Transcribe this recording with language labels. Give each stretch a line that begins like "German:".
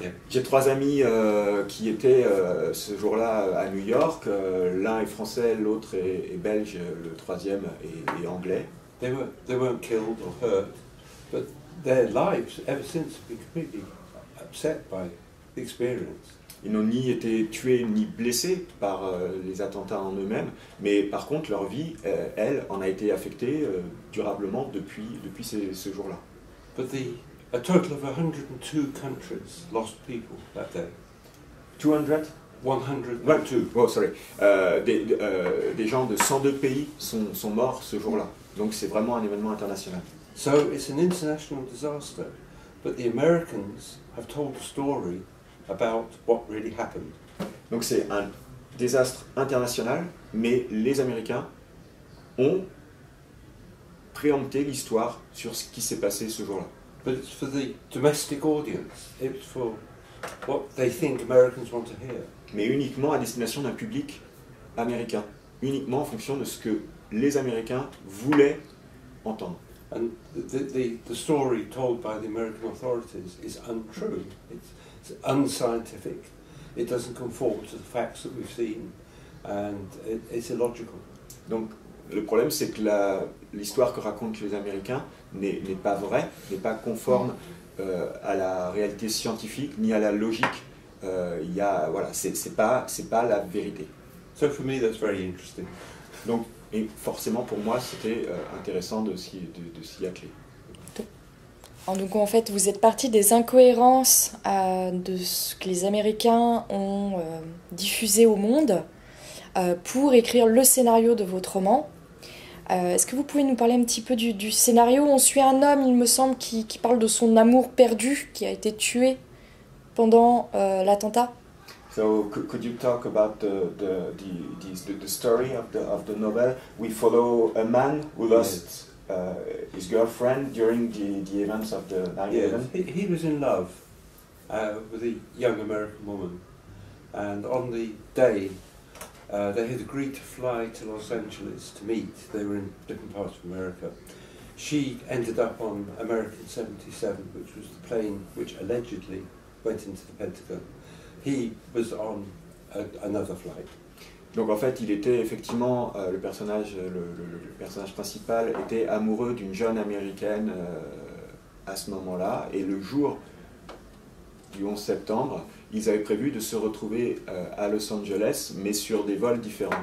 French: J'ai trois amis qui étaient ce jour-là à New York. L'un est français, l'autre est belge, le troisième est anglais.
English: They weren't killed or hurt. But their lives, ever since, have been completely upset by the experience.
French: Ils n'ont ni été tués ni blessés par les attentats en eux-mêmes, mais par contre, leur vie, elle, en a été affectée durablement depuis ce jour-là.
English: But a total of 102 countries lost people that day. 102.
French: Des gens de 102 pays sont morts ce jour-là. Donc c'est vraiment un événement international.
English: So it's an international disaster, but the Americans have told a story about what really happened.
French: Donc c'est un désastre international, mais les Américains ont préempté l'histoire sur ce qui s'est passé ce jour-là.
English: But it's for the domestic audience. It's for what they think Americans want to hear.
French: Mais uniquement à destination d'un public américain, uniquement en fonction de ce que les Américains voulaient entendre.
English: And the story told by the American authorities is untrue. It's unscientific. It doesn't conform to the facts that we've seen, and it's illogical.
French: Donc le problème c'est que l'histoire que racontent les Américains n'est pas vraie, n'est pas conforme à la réalité scientifique ni à la logique. C'est pas la vérité.
English: So for me that's very interesting.
French: Donc et forcément pour moi c'était intéressant de s'y atteler. Donc en fait vous êtes parti des incohérences de ce que les Américains ont diffusé au monde pour écrire le scénario de votre roman. Est-ce que vous pouvez nous parler un petit peu du scénario? On suit un homme, il me semble, qui parle de son amour perdu qui a été tué pendant l'attentat.
English: So could you talk about the story of the novel? We follow a man who lost his girlfriend during the events of the 9/11. Yes. He was in love with a young American woman, and on the day they had agreed to fly to Los Angeles to meet. They were in different parts of America. She ended up on American 77, which was the plane which allegedly went into the Pentagon. He was on another flight.
French: Donc en fait, il était effectivement le personnage principal était amoureux d'une jeune américaine à ce moment-là. Et le jour du 11 septembre, ils avaient prévu de se retrouver à Los Angeles, mais sur des vols différents.